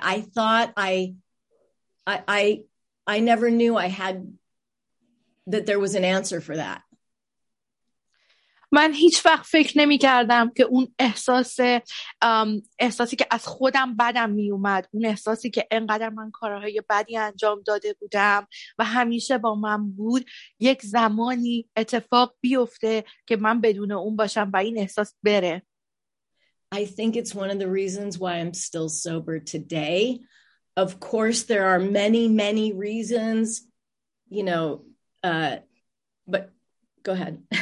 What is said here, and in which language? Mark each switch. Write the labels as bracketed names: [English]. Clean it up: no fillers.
[English] I thought I never knew I had that there was an answer for that. [Persian] من هیچ وقت فکر نمی کردم که اون احساسی که از خودم بدم می اومد، اون احساسی که انقدر من کارهای بدی انجام داده بودم و همیشه با من بود، یک زمانی اتفاق بیفته که من بدون اون باشم و این احساس بره. [English] I think it's one of the reasons why I'm still sober today. Of course, there are many, many reasons, you know, but go ahead.